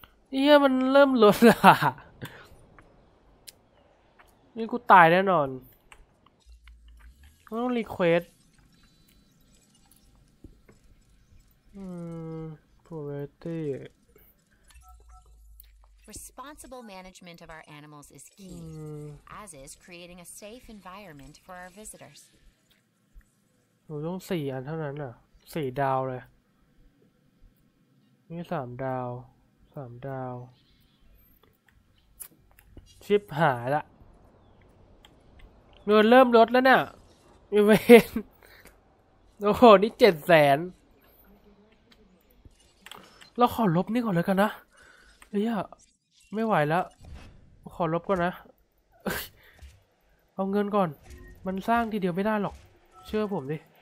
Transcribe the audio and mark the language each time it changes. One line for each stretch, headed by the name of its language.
Thai: เฮ้ยมันเริ่มลดละนี่กูตายแน่นอนต้องรีเควสprobability
English: responsible management of our animals is key as is creating a safe environment for our visitors
Thai: เราต้อง4อันเท่านั้นน่ะ4ดาวเลยนี่3ดาว3ดาวชิปหายละ เงินเริ่มลดแล้วเนี่ยอีเวนต์โอ้โหนี่700,000เราขอลบนี่ก่อนเลยกันนะเฮ้ยไม่ไหวแล้วขอลบก่อนนะเอาเงินก่อนมันสร้างทีเดียวไม่ได้หรอกเชื่อผมดิ